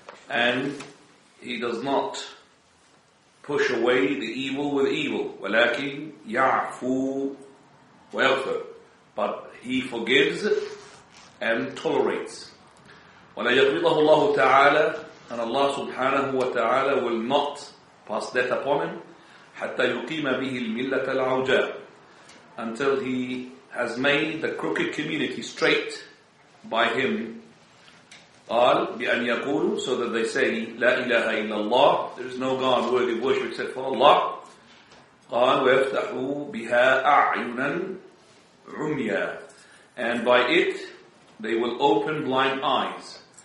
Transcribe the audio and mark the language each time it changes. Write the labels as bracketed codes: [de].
[en] And he does not push away the evil with evil. [ar] ولكن يعفو ويغفر. [en] But he forgives and tolerates. [ar] ولا يقبضه الله تعالى. [en] And Allah subhanahu wa ta'ala will not pass death upon him. [ar] حتى يقيم به الملة العوجاء. [en] Until he has made the crooked community straight by him. [ar] قال بأن يقولوا, [en] so that they say [ar] لا إله إلا الله, [en] there is no God worthy of worship except for Allah. [ar] قال ويفتحوا بها أعينا عميا, [en] and by it they will open blind eyes.